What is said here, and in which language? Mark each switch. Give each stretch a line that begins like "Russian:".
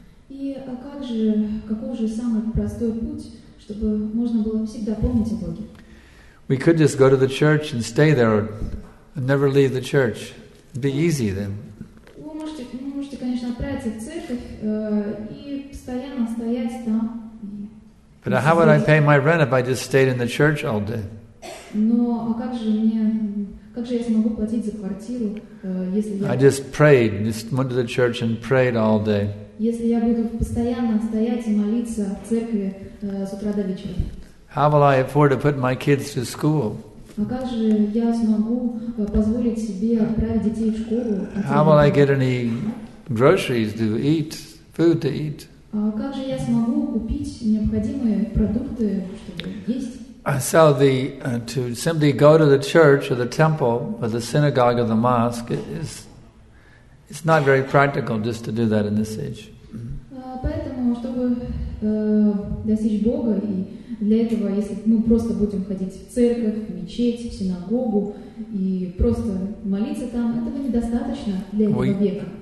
Russian: И как же, какой же самый простой путь, чтобы можно было всегда помнить о Боге?
English: We could just go to the church and stay there and never leave the church. It'd be easy then.
Russian: Вы можете, конечно, отправиться в церковь и постоянно стоять там.
English: But how would I pay my rent if I just stayed in the church all day?
Russian: Но а как же я смогу платить за квартиру, если я?
English: I just prayed, just went to the church and prayed all day.
Russian: Если я буду постоянно стоять и молиться в церкви с утра до вечера.
English: How will I afford to put my kids to school?
Russian: А как же я смогу позволить себе отправить детей в школу?
English: How will I get any groceries to eat, food to eat?
Russian: А как же я смогу купить необходимые продукты, чтобы есть?
English: So the to simply go to the church or the temple or the synagogue or the mosque it's not very practical just to do that in this age.
Russian: Поэтому чтобы достичь Бога и для этого, если мы просто будем ходить в церковь, мечеть, в синагогу и просто молиться там, этого недостаточно для этого века.